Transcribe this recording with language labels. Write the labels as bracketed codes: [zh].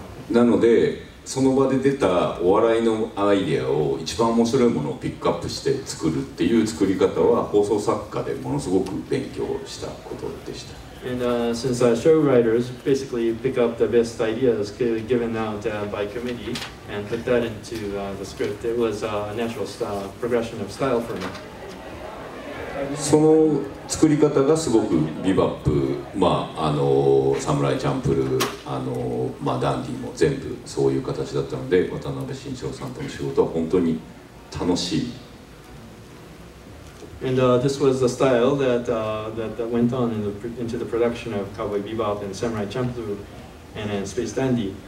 [ja] なのでその場で出たお笑いのアイデアを一番面白いものをピックアップして作るっていう作り方は放送作家でものすごく勉強したことでした。 [en] And since show writers basically pick up the best ideas given out by committee and put that into the script, it was a natural style, progression of style for me. [ja] その作り方がすごくビバップ、まあサムライチャンプル、まあダンディも全部そういう形だったので、渡辺慎一郎さんとの仕事は本当に楽しい。 [en] And this was the style that went on into the production of Cowboy Bebop and Samurai Champloo and then Space Dandy.